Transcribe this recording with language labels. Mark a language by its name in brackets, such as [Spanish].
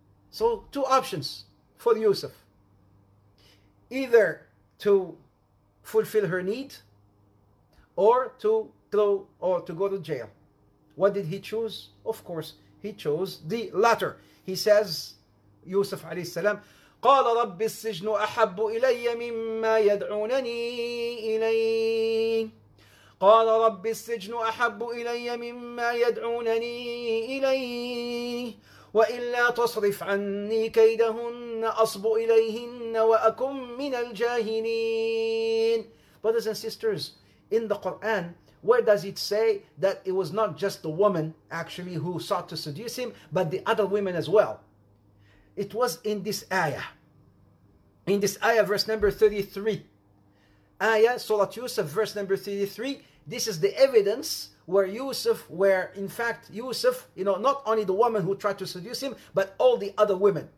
[English] So two options for Yusuf. Either to fulfill her need, or to throw, or to go to jail. What did he choose? Of course, he chose the latter. He says, Yusuf alayhi salam, [Arabic] قَالَ رَبِّ السِّجْنُ أَحَبُّ إِلَيَّ مِمَّا يَدْعُونَنِي إِلَيْهِ. قال رب السجن أحب إلي مما يدعونني إليه وإلا تصرف عني كيدهن أصب إليهن وأكن من الجاهلين. [English] Brothers and sisters, in the Quran, where does it say that it was not just the woman actually who sought to seduce him, but the other women as well? It was in this ayah. In this ayah, verse number 33. Ayah, Surah Yusuf, verse number 33. This is the evidence where in fact Yusuf, you know, not only the woman who tried to seduce him, but all the other women.